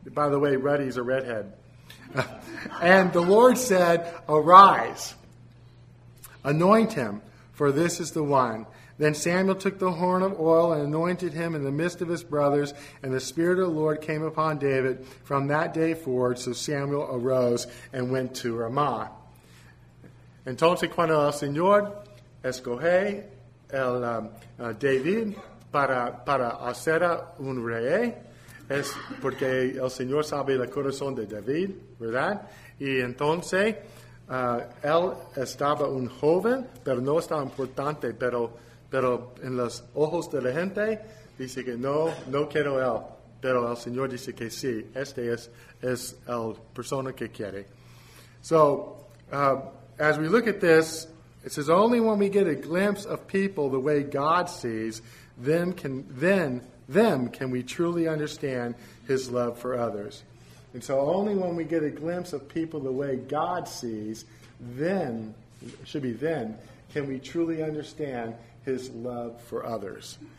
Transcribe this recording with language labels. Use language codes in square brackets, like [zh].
[en] By the way, ruddy is a redhead. And the Lord said, arise, anoint him, for this is the one. Then Samuel took the horn of oil and anointed him in the midst of his brothers, and the Spirit of the Lord came upon David from that day forward. So Samuel arose and went to Ramah. [es] Entonces, cuando el Señor escoge el David para hacer un rey, es porque el Señor sabe el corazón de David, ¿verdad? Y entonces, él estaba un joven, pero no estaba importante, pero en los ojos de la gente, dice que no quiero él. pero el Señor dice que sí, este es el persona que quiere. [en] So, as we look at this, it says only when we get a glimpse of people the way God sees them can we truly understand his love for others. And so only when we get a glimpse of people the way God sees, then can we truly understand his love for others.